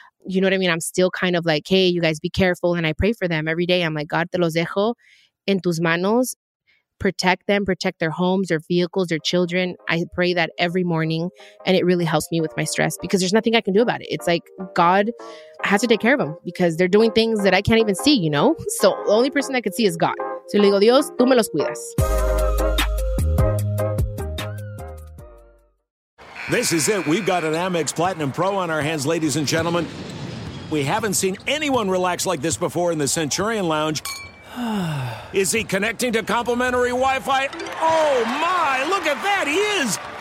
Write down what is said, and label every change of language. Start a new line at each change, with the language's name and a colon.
English: You know what I mean? I'm still kind of like, hey, you guys be careful. And I pray for them every day. I'm like, God,
Spanish: te los dejo en tus manos.
English: Protect them, protect their homes, their vehicles, their children. I pray that every morning. And it really helps me with my stress because there's nothing I can do about it. It's like God has to take care of them because they're doing things that I can't even see, you know? So the only person I can see is God. So
Spanish: le digo, Dios, tú me los cuidas.
English: This is it. We've got an Amex Platinum Pro on our hands, ladies and gentlemen. We haven't seen anyone relax like this before in the Centurion Lounge. Is he connecting to complimentary Wi-Fi? Oh, my. Look at that. He is.